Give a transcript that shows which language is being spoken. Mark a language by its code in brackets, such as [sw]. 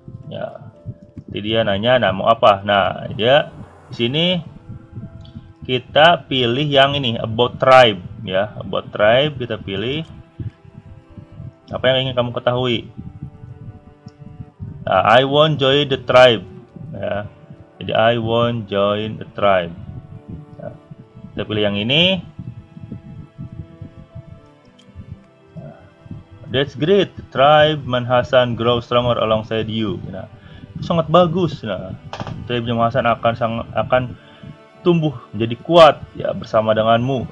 [id] Ya, jadi dia nanya, nah mau apa? Nah, dia di sini kita pilih yang ini, about tribe ya, about tribe kita pilih. Apa yang ingin kamu ketahui? [en] I won't join the tribe. Ya. [id] Jadi [en] I won't join the tribe. [id] Ya. Kita pilih yang ini. [en] That's great. The tribe Man Hasan grow stronger alongside you. [id] Nah, itu sangat bagus. Nah, tribe Man Hasan akan tumbuh menjadi kuat ya bersama denganmu.